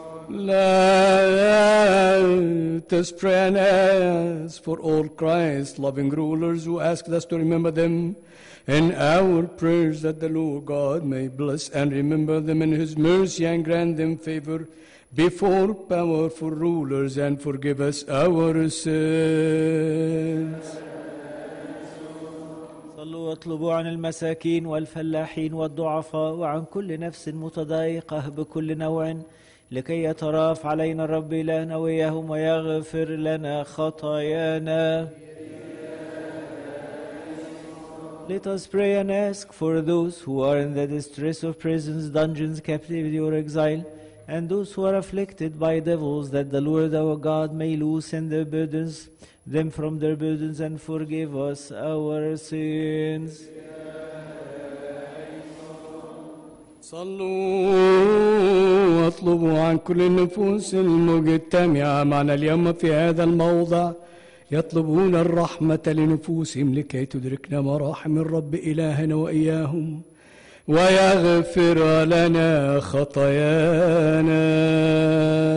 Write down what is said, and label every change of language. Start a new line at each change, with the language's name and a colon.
English: Let us pray and ask for all Christ loving rulers who ask us to remember them in our prayers, that the Lord God may bless and remember them in his mercy and grant them favor before powerful rulers and forgive us our sins.
Arabic: صلوا واطلبوا عن المساكين والفلاحين والضعفاء وعن كل نفس متضايقة بكل نوع لكي يتراف علينا الرب إلهنا وإياهم ويغفر لنا خطايانا.
English: Let us pray and ask for those who are in the distress of prisons, dungeons, captivity or exile, and those who are afflicted by devils, that the Lord our God may loosen their burdens, them from their burdens, and forgive us our sins.
Arabic: صلوا واطلبوا عن كل النفوس المجتمعة معنا اليوم في هذا الموضع يطلبون الرحمة لنفوسهم لكي تدركنا مراحم الرب إلهنا وإياهم ويغفر لنا خطايانا.